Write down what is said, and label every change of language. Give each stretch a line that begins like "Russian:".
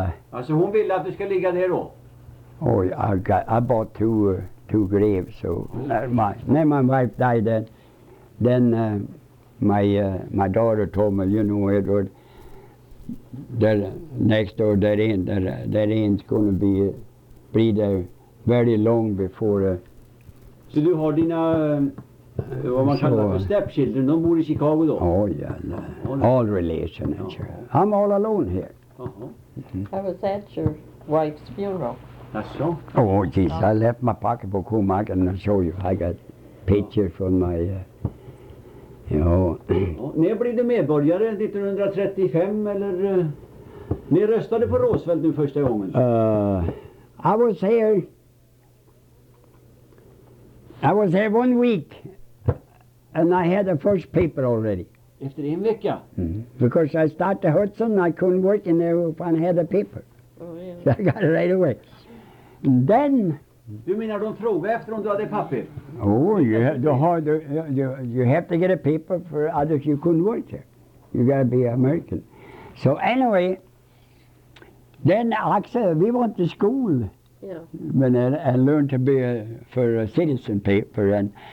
Swedish: Alltså hon ville att du ska ligga där då?
English: Oh, I bought two graves, so my wife died then. Then my daughter told me, you know, Edward, there next door there ain't gonna be there very long before. So you have your what man call them stepchildren? They live in Chicago, though. Oh yeah, all relations. Oh, sure. Oh. I'm all alone here. Uh-huh. Mm-hmm. I was at your wife's funeral. That's so. Oh jeez, I left my pocketbook home. I can show you. I got pictures from my.
Swedish: När blev du medborgare 1935 eller ni röstade på Roosevelt nu första gången?
English: I was here 1 week and I had the first paper already.
Swedish: Efter en vecka? Mm-hmm.
English: Because I started to Hudson, I couldn't work in there if I had a paper. Oh, yeah. So I got it right away. Then
Swedish: du menar de frågade efter om du hade papper?
English: Oh, you have to get a paper for others, you couldn't work there. You gotta be American. So anyway, then like I said, we went to school. Yeah. And learned to be a citizen paper.